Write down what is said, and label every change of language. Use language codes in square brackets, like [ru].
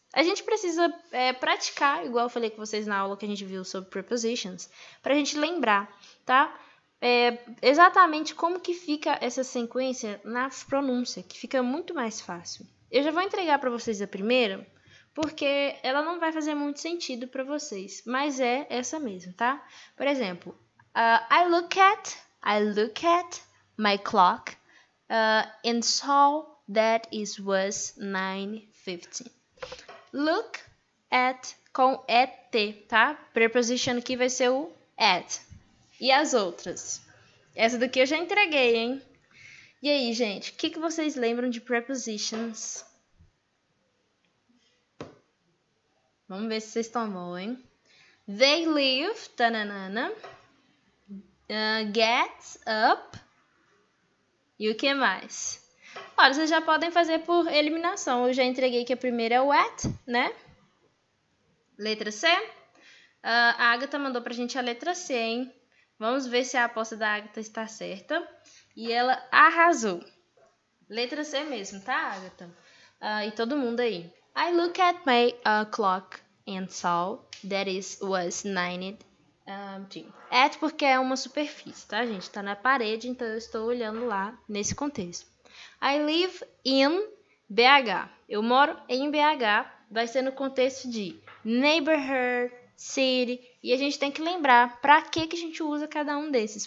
[pt] A gente precisa praticar, igual eu falei com vocês na aula que a gente viu sobre prepositions, para a gente lembrar, tá? Exatamente como que fica essa sequência na pronúncia, que fica muito mais fácil. Eu já vou entregar para vocês a primeira, porque ela não vai fazer muito sentido para vocês, mas é essa mesmo, tá? [en] Por exemplo, I look at my clock and saw that it was 9:15. [pt] Look at com et, tá? Preposition aqui vai ser o at. E as outras? Essa daqui eu já entreguei, hein? E aí, gente, o que, que vocês lembram de prepositions? Vamos ver se vocês tomou, hein? They live, tananana. Get up. E o que mais? Olha, vocês já podem fazer por eliminação. Eu já entreguei que a primeira é o at, né? Letra C. A Agatha mandou pra gente a letra C, hein? Vamos ver se a aposta da Agatha está certa. E ela arrasou. Letra C mesmo, tá, Agatha? E todo mundo aí. [en] I look at my clock and saw that it was 9. [pt] É porque é uma superfície, tá, gente? Tá na parede, então eu estou olhando lá nesse contexto. I live in BH. Eu moro em BH, vai ser no contexto de neighborhood, city. E a gente tem que lembrar pra que a gente usa cada um desses.